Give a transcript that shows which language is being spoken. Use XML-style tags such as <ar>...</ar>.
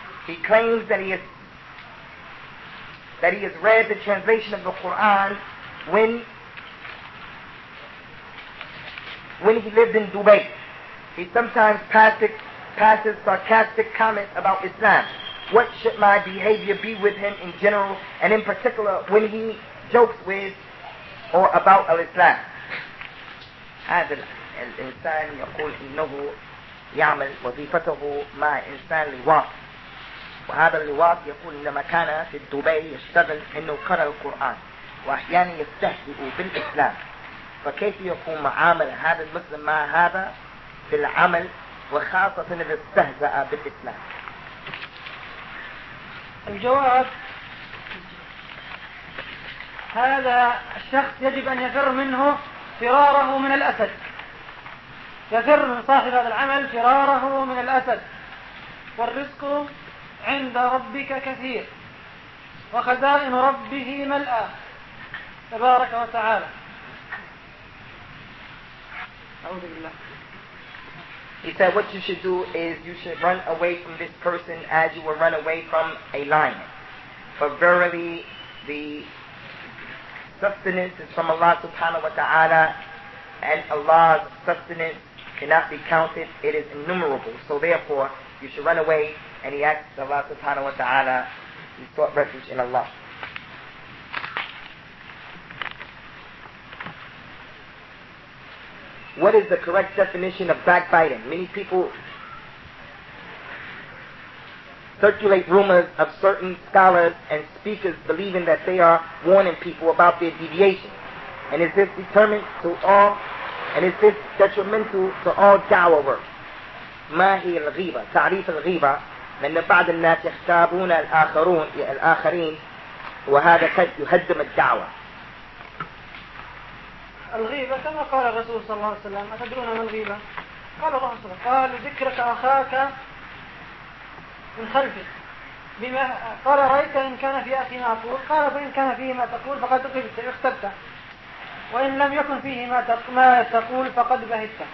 <en>He claims that he has read the translation of the Quran when he lived in Dubai. He sometimes passes sarcastic comments about Islam. What should my behavior be with him in general, and in particular when he jokes with or about al-Islam?</en> <ar>هذا الإنسان يقول إنه يعمل وظيفته مع إنسان لواط. وهذا اللواط يقول إنما كان في دبي يشتغل إنه قرأ القرآن وأحيانا يستهزئ بالإسلام. فكيف يكون معامل هذا المسلم مع هذا في العمل وخاصة إذا استهزأ بالإسلام؟ الجواب: هذا الشخص يجب أن يفر منه فراره من الأسد. يفر من صاحب هذا العمل فراره من الأسد. والرزق عند ربك كثير، وخزائن ربه ملأة تبارك وتعالى. أعوذ بالله.</ar> <en>He said, what you should do is you should run away from this person as you will run away from a lion. For verily, the sustenance is from Allah subhanahu wa ta'ala, and Allah's sustenance cannot be counted. It is innumerable. So therefore, you should run away. And he asked Allah subhanahu wa ta'ala, he sought refuge in Allah. What is the correct definition of backbiting? Many people circulate rumors of certain scholars and speakers believing that they are warning people about their deviation. And is this determined to all? And is this detrimental to all da'wah work?</en> <ar>ما هي الغيبة؟ تعريف الغيبة من بعض الناس يختابون الآخرين وهذا قد يهدم الدعوة. الغيبة كما قال الرسول صلى الله عليه وسلم: أتدرون ما الغيبة؟ قال الله عز وجل: قال ذكرك أخاك من خلفك بما قال رأيت إن كان في أخي ما أقول، قال فإن كان فيه ما تقول فقد غبت اختبت، وإن لم يكن فيه ما تقول فقد بهت.</ar>